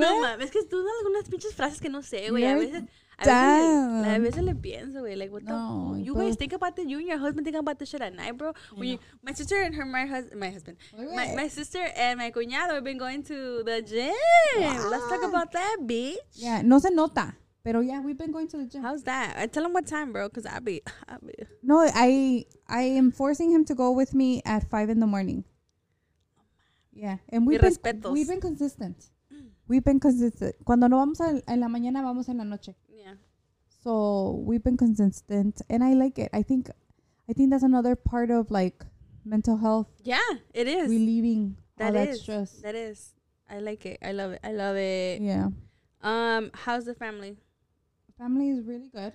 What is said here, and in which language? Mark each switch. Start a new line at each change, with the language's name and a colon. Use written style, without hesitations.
Spanish: No, mames, es que tú dices algunas pinches frases que no sé, güey. A veces le pienso, güey.
English: Like, you guys think about that? You and your husband think about this shit at night, bro? My sister and my cuñado have been going to the gym. Wow. Let's talk about that, bitch.
Spanish: Yeah, no se nota.
English: Pero yeah, we've been going to the gym. How's that? I tell him what time, bro, because I'll be. No, I am forcing him to go with me at 5 in the morning. Yeah, and we've been consistent. We've been consistent.
Spanish: Cuando no vamos en la mañana, vamos en la noche.
English: Yeah. So we've been consistent, and I like it. I think that's another part of like mental health. Yeah, it is. Relieving all that stress. That is. I like it. I love it. Yeah. How's the family? Family is really good.